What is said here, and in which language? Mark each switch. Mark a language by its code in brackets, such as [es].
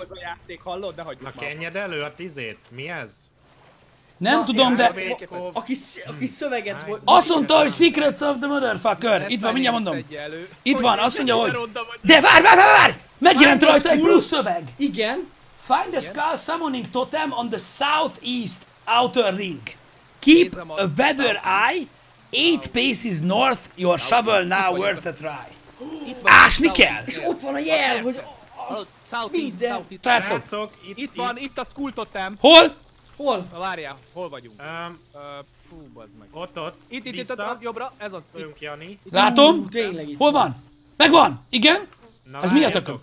[hu] Ez a játék, hallod? De hagyjuk már. Na, kenjed elő a tizét. Mi ez? Nem na, tudom, de... Aki szöveget volt... Azt mondta, hogy Secrets of the Motherfucker. Itt van, mindjárt mondom. Itt van, azt mondja, hogy... De várj! Megjelent rajta egy plusz szöveg. Igen. [en] Find the skull summoning totem on the southeast outer ring. Keep a weather eye. 8 paces north, your shovel now itt worth a try. [hu] Ásni kell! És ott van a jel, hogy minden! Srácok! Itt van, itt a skull totem! Hol? Hol? Várjál, hol vagyunk? Fú, bazd meg. Ott. Itt, jobbra, ez az. Jön Jani. Látom? Hol van? Megvan! Igen? Ez mi a tököm?